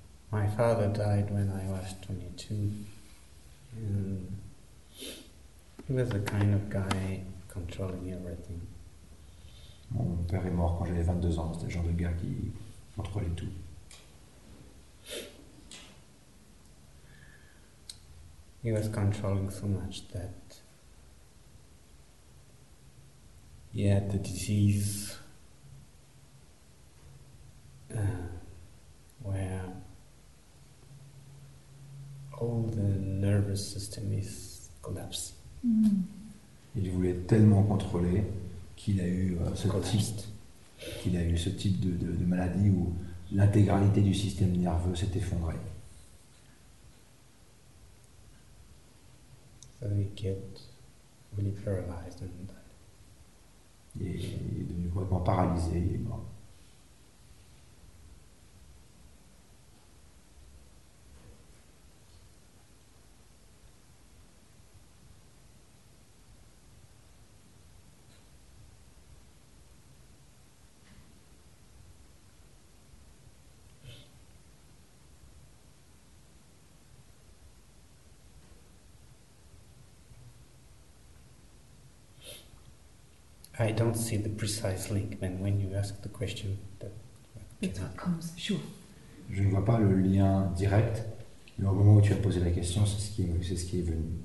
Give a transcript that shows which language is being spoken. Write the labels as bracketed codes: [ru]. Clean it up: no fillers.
[en] My father died when I was 22, and he was a kind of guy controlling everything. [fr] Mon père est mort quand j'avais 22 ans. C'était le genre de gars qui contrôlait tout. [en] He was controlling so much that he had the disease where all the nervous system is collapsed. [fr] Il voulait tellement contrôler qu'il a eu ce type de maladie où l'intégralité du système nerveux s'est effondrée. [en] So he get really paralyzed and died. [fr] Il est devenu complètement paralysé, il est mort. [en] I don't see the precise link, and when you ask the question, that it comes, sure. [fr] Je ne vois pas le lien direct, mais au moment où tu as posé la question, c'est ce qui est venu.